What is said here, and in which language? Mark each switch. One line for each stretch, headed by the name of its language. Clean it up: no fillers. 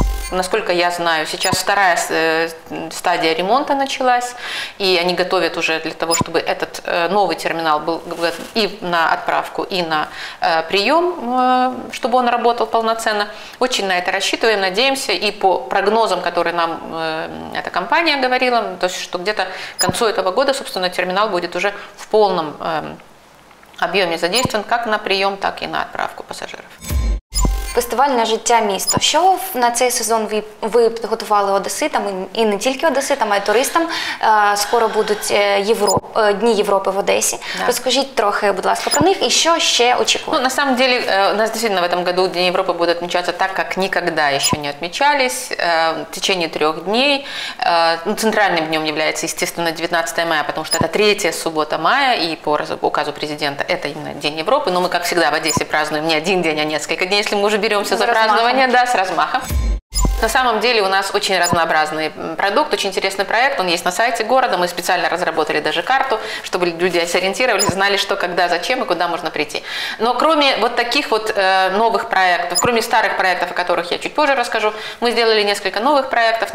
Russian: Насколько я знаю, сейчас вторая стадия ремонта началась, и они готовят уже для того, чтобы этот новый терминал был и на отправку, и на прием, чтобы он работал полноценно. Очень на это рассчитываем, надеемся, и по прогнозам, которые нам эта компания говорила, то есть, что где-то к концу этого года, собственно, терминал будет уже в полном объеме задействован как на прием, так и на отправку пассажиров.
Ukrainian: Фестивальне життя міста. Що на цей сезон ви підготували одеситам, і не тільки одеситам, а й туристам? Скоро будуть Дні Європи в Одесі. Розкажіть трохи, будь ласка, про них і що ще очікує?
Russian: Ну, на самом деле, у нас действительно в этом году Дні Європи
Ukrainian: будуть відмічатися так, як ніколи ще не відмічались.
Russian: В течение
Ukrainian: 3 днів. Центральним днем являється,
Russian: естественно,
Ukrainian: 19 мая, тому що це 3 субота мая, і по указу президента це іменно День Європи. Ну, ми, як завжди, в Одесі празднуємо не один день, а несколько днів, якщо ми вже беремся за празднование, да,
Russian: с размахом. На самом деле у нас очень разнообразный продукт, очень интересный проект. Он есть на сайте города. Мы специально разработали даже карту, чтобы люди сориентировались, знали, что, когда, зачем и куда можно прийти. Но кроме вот таких вот новых проектов, кроме старых проектов, о которых я чуть позже расскажу, мы сделали несколько новых проектов.